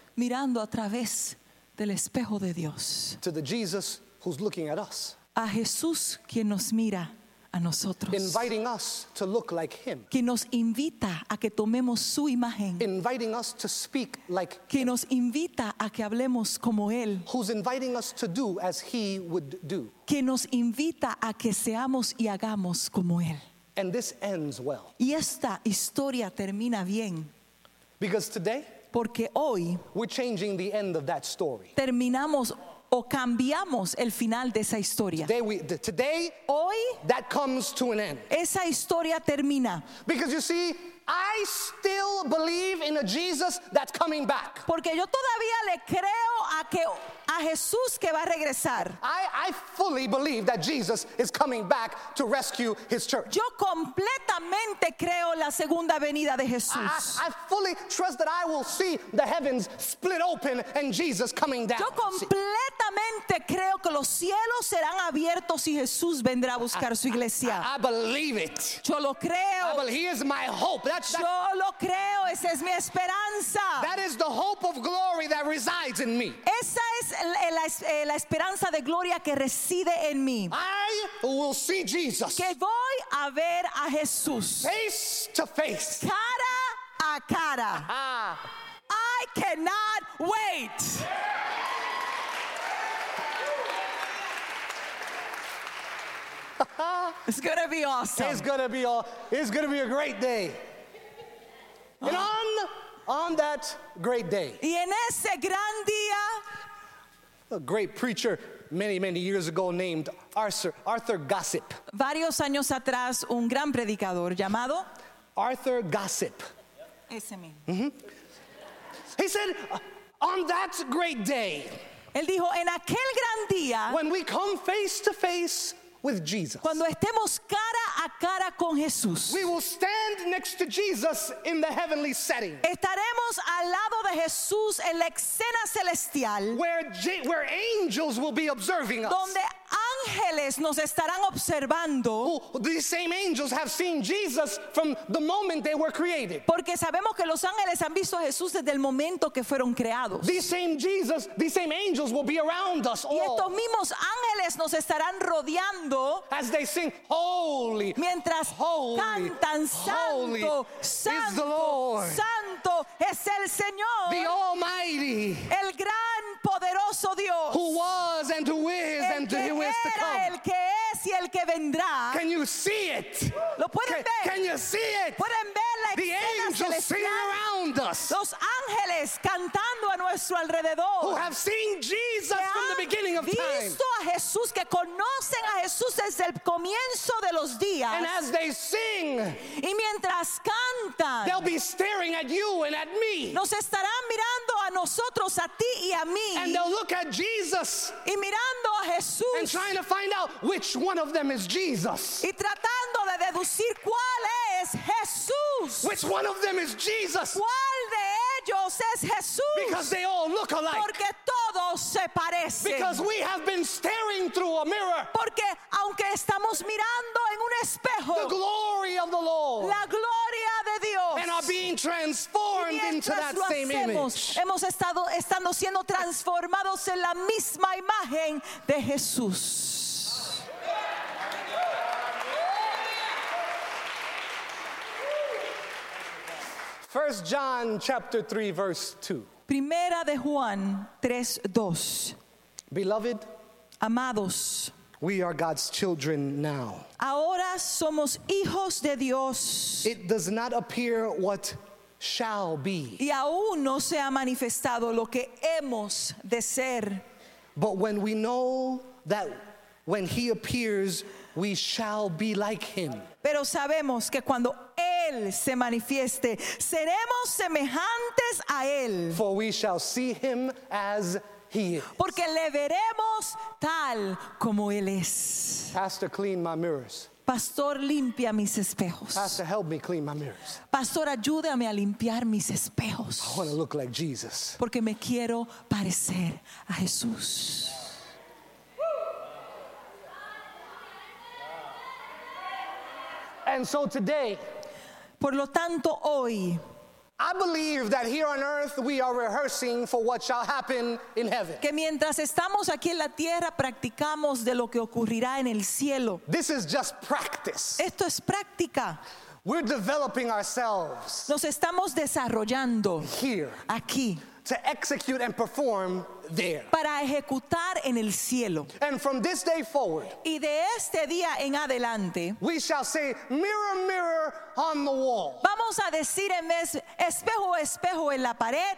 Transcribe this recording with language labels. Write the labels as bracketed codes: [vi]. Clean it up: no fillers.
[es] Mirando a través del espejo de Dios. [en] To the Jesus who's looking at us. [es] A Jesús quien nos mira a nosotros. [en] Inviting us to look like him. [es] Que nos invita a que tomemos su imagen. [en] Inviting us to speak like [es] que nos invita a que hablemos como él. [en] Who's inviting us to do as he would do. [es] Que nos invita a que seamos y hagamos como él. [en] And this ends well. [es] Y esta historia termina bien. [en] Because today, [es] porque hoy, [en] we're changing the end of that story. [es] Terminamos o cambiamos el final de esa historia. [en] Today, today, that comes to an end. [es] Esa historia termina. [en] Because you see, I still believe in a Jesus that's coming back. [es] Porque yo todavía le creo a que a Jesús que va a regresar. [en] I fully believe that Jesus is coming back to rescue his church. [es] Yo completamente creo la segunda venida de Jesús. [en] I fully trust that I will see the heavens split open and Jesus coming down. [es] Yo completamente creo que los cielos serán abiertos y Jesús vendrá a buscar su iglesia. [en] I believe it. [es] Yo lo creo. [en] He is my hope. [es] Yo lo creo, esa es mi esperanza. [en] That is the hope of glory that resides in me. [es] Esa es la esperanza de gloria que reside en mí. [en] I will see Jesus. [es] Que voy a ver a Jesús. [en] Face to face. [es] Cara a cara. Aha. [en] I cannot wait. It's going to be awesome. It's going to be a great day. And on that great day, [es] y en ese gran día, [en] a great preacher many, many years ago named Arthur Gossip. [es] Varios años atrás, un gran predicador llamado Arthur Gossip. Ese [en] He said, on that great day, [es] él dijo, en aquel gran día, [en] when we come face to face with Jesus. [es] Cuando estemos cara a cara con Jesús. [en] We will stand next to Jesus in the heavenly setting. [es] Estaremos al lado de Jesús en la escena celestial. [en] Where angels will be observing us. [es] Donde ángeles nos estarán observando. [en] These same angels have seen Jesus from the moment they were created. [es] Porque sabemos que los ángeles han visto a Jesús desde el momento que fueron creados. [en] These same angels will be around us all. [es] Y estos mismos ángeles nos estarán rodeando. [en] As they sing, holy, [es] mientras [en] holy, [es] cantan, [en] holy, [es] santo, [en] is the Lord. [es] Santo es el Señor. [en] The Almighty. [es] El gran poderoso Dios. [en] Who was and who is and who is. [es] Era el que es y el que vendrá. [en] Can you see it? [es] Lo pueden ver. [en] Can you see it? [es] Pueden ver la [en] the angels [es] celestial. [en] Singing around us. [es] Los ángeles cantando a nuestro alrededor. [en] Who have seen Jesus from the beginning of time. [es] Visto a Jesús, que conocen a Jesús desde el comienzo de los días. [en] And as they sing, [es] y mientras cantan, [en] they'll be staring at you and at me. [es] Nos estarán mirando a nosotros, a ti y a mí. [en] And they'll look at Jesus. [es] Y mirando a Jesús. [en] And trying to find out which one of them is Jesus. [es] Y tratando de deducir cuál es Jesús. [en] Which one of them is Jesus? [es] ¿Cuál de ellos es Jesús? [en] Because they all look alike. [es] Porque todos se parecen. [en] Because we have been staring through a mirror. [es] Porque aunque estamos mirando en un espejo. [en] The glory of the Lord. [es] La gloria de Dios. [en] And are being transformed into that [es] hacemos, [en] same image. [es] Hemos estando siendo transformados en la misma imagen de Jesús. [en] First John chapter 3 verse 2. [es] Primera de Juan 3:2. [en] Beloved, [es] amados, [en] we are God's children now. [es] Ahora somos hijos de Dios. [en] It does not appear what shall be. [es] Y aún no se ha manifestado lo que hemos de ser. [en] But when we know that when he appears, we shall be like him. [es] Pero sabemos que cuando él se manifieste, seremos semejantes a él. [en] For we shall see him as he is. [es] Porque le veremos tal como él es. [en] Pastor, clean my mirrors. [es] Pastor, limpia mis espejos. [en] Pastor, help me clean my mirrors. [es] Pastor, ayúdame a limpiar mis espejos. [en] I want to look like Jesus. [es] Porque me quiero parecer a Jesús. [en] And so today, [es] por lo tanto hoy, [en] I believe that here on earth we are rehearsing for what shall happen in heaven. [es] Que mientras estamos aquí en la tierra practicamos de lo que ocurrirá en el cielo. [en] This is just practice. [es] Esto es práctica. [en] We're developing ourselves. [es] Nos estamos desarrollando [en] here. [es] Aquí. [en] to execute and perform there. [es] Para ejecutar en el cielo. [en] And from this day forward, [es] y de este día en adelante, [en] we shall say, mirror, mirror on the wall. [es] Vamos a decir en vez, espejo, espejo en la pared.